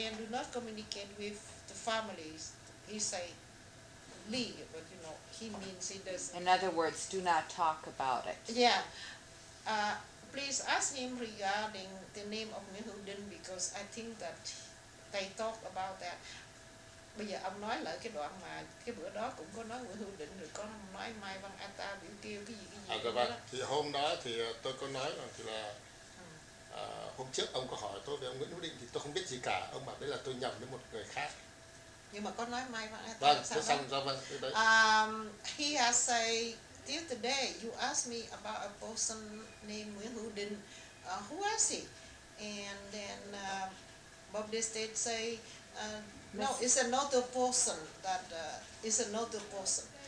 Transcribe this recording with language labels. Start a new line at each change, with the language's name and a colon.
English: Ann, do not communicate with the families. He say, leave, but you know, he means he doesn't. In other words, do not talk about it. Yeah. Please ask him regarding the name of Nguyễn Hữu Đinh, because I think that they talk about that.
Vietnamese: Bây giờ ông nói lại cái đoạn mà cái bữa đó cũng có nói Nguyễn Hữu Định rồi, có nói Mai Văn A Ta biểu tiêu cái gì cái gì. À dạ vâng, thì hôm đó thì tôi có nói rằng thì là hôm trước ông có hỏi tôi về ông Nguyễn Hữu Định thì tôi không biết gì cả, ông bảo đấy là tôi nhầm với một người khác. Nhưng mà có nói Mai Văn A Ta. Vâng, thế xong rồi, vâng, thế đấy.
English: He has said, till today you asked me about a person named Nguyễn Hữu Định, who is he? And then Bob Destate say, Miss, no, it's another person that is another person.